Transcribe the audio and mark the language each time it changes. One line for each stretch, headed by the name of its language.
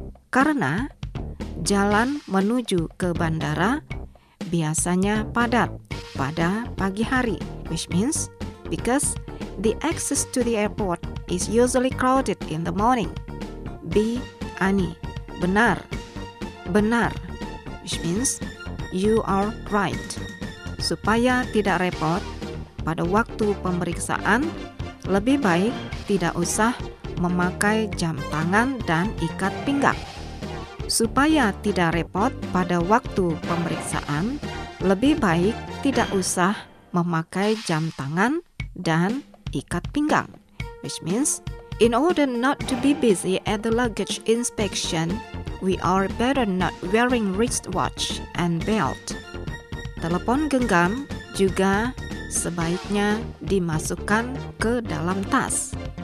Indonesian: Karena jalan menuju ke bandara biasanya padat pada pagi hari,
English: which means because the access to the airport is usually crowded in the morning. B. Ani.
Indonesian: Benar. Benar.
English: Which means you are right.
Indonesian: Supaya tidak repot pada waktu pemeriksaan, lebih baik tidak usah memakai jam tangan dan ikat pinggang. Supaya tidak repot pada waktu pemeriksaan, lebih baik tidak usah memakai jam tangan dan ikat pinggang.
English: Which means, in order not to be busy at the luggage inspection, we are better not wearing wristwatch and belt.
Indonesian: Telepon genggam juga sebaiknya dimasukkan ke dalam tas.